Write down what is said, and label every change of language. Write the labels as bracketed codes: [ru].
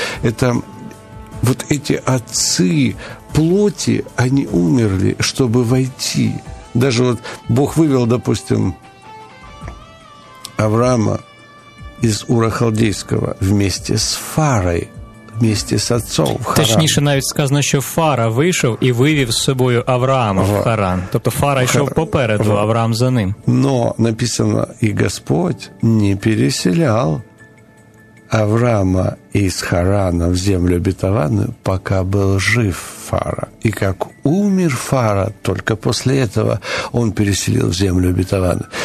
[ru] Это вот эти отцы плоти, они умерли, чтобы войти. Даже вот Бог вывел, допустим, Авраама из Ура Халдейского вместе с Фарой, вместе с отцом в Харан. [uk] Точніше, навіть сказано, що Фара вийшов і вивів з собою Авраама в Харан. Тобто Фара йшов попереду, Авраам за ним. [ru] Но написано, [uk] і Господь не переселяв [ru] Авраама из Харана в землю обетованную, пока был жив Фара. И как умер Фара, только после этого он переселил в землю обетованную.